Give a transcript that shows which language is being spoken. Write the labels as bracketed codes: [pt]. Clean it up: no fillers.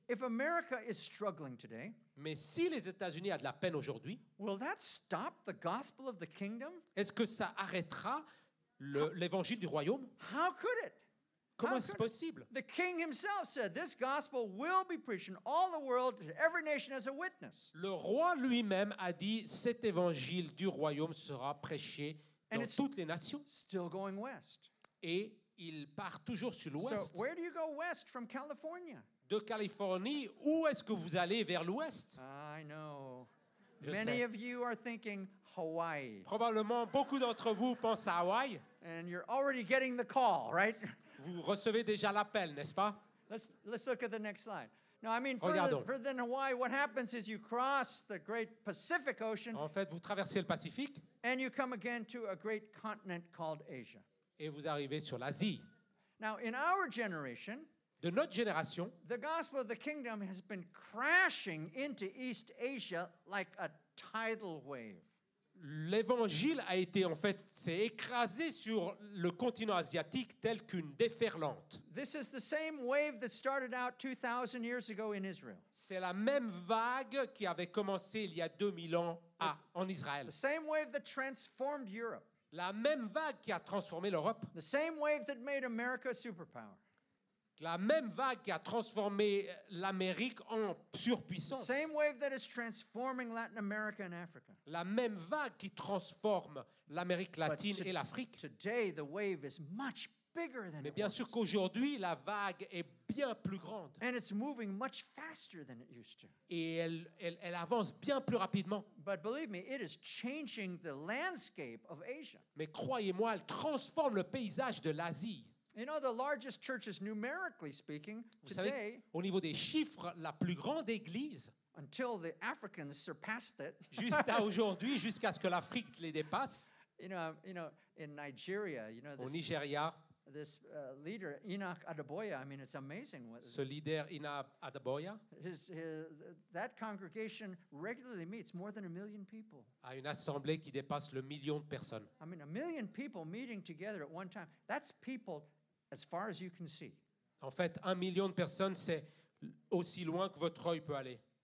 [en] If America is struggling today, [fr] mais si les États-Unis a de la peine aujourd'hui, [en] will that stop the gospel of the kingdom? [fr] Est-ce que ça arrêtera l'évangile du royaume? [en] How could it? [fr] Comment est-ce possible? [en] The king himself said this gospel will be preached in all the world to every nation as a witness. [fr] Le roi lui-même a dit cet évangile du royaume sera prêché dans toutes les nations. [en] Still going west. [fr] Et il part toujours sur l'ouest. [en] So where do you go west from California? [fr] De Californie, où est-ce que vous allez vers l'ouest? [en] I know. Many of you are thinking Hawaii. [fr] Probablement beaucoup d'entre vous pensent à Hawaï. [en] And you're already getting the call, right? [fr] Vous recevez déjà l'appel, n'est-ce pas? [en] Let's look at the next slide. Now, I mean, further than Hawaii, what happens is you cross the great Pacific Ocean. [fr] En fait, vous traversez le Pacifique. [en] And you come again to a great continent called Asia. [fr] Et vous arrivez sur l'Asie. [en] Now, in our generation, [fr] de notre génération, [en] the gospel of the kingdom has been crashing into East Asia like a tidal wave. [fr] L'évangile a été en fait s'est écrasé sur le continent asiatique tel qu'une déferlante. [en] This is the same wave that started out 2000 years ago in Israel. [fr] C'est la même vague qui avait commencé il y a 2000 ans en Israël. [en] The same wave that transformed Europe. [fr] La même vague qui a transformé l'Europe. [en] The same wave that made America a superpower. [fr] La même vague qui a transformé l'Amérique en surpuissance. [en] Same wave that is transforming Latin America and Africa. [fr] La même vague qui transforme l'Amérique latine et l'Afrique. [en] Today the wave is much bigger than [fr] Mais bien [en] it [fr] sûr [en] was. [fr] Qu'aujourd'hui, la vague est bien plus grande. [en] And it's moving much faster than it used to. [fr] Et elle avance bien plus rapidement. [en] But believe me, it is changing the landscape of Asia. [fr] Mais croyez-moi, elle transforme le paysage de l'Asie. [en] You know, the largest churches, numerically speaking, [fr] Vous savez, [en] today, [fr] au niveau des chiffres, la plus grande église, [en] until the Africans surpassed it, [fr] juste à aujourd'hui, jusqu'à ce que l'Afrique les dépasse. [en] You know, in Nigeria, you know, this leader Enoch Adeboye. I mean, it's amazing. [fr] Ce leader Enoch Adeboye. [en] That congregation regularly meets more than a million people. [fr] À une assemblée qui dépasse le million de personnes. [en] I mean, a million people meeting together at one time. That's people as far as you can see. [fr] En fait, un million de personnes, c'est aussi loin que votre œil peut aller.